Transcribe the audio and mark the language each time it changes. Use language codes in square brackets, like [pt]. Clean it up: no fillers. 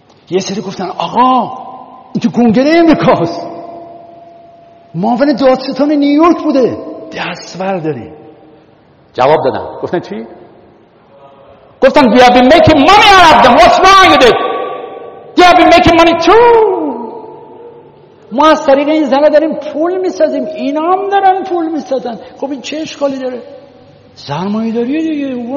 [fa] یه سری گفتن آقا این تو کنگره امریکاست، معاون دادستان نیویورک بوده، دست برداری. جواب دادن، گفتن چی؟ گفتن [en] we have been making money out of them. What's wrong with it? They have been making money too. [fa] ما از طریق این زنها داریم پول میسازیم، اینا هم دارن پول میسازن، خب این چه اشکالی داره؟ سرمایه داریه دیگه.